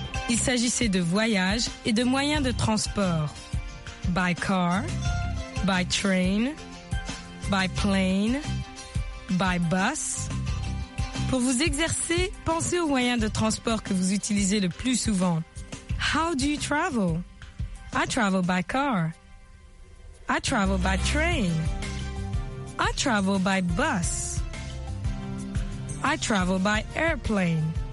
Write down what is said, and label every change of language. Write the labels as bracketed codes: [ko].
[fr] Il s'agissait de voyages et de moyens de transport. [en] By car, by train, by plane, by bus. [fr] Pour vous exercer, pensez aux moyens de transport que vous utilisez le plus souvent. [en] How do you travel? I travel by car. I travel by train. I travel by bus. I travel by airplane.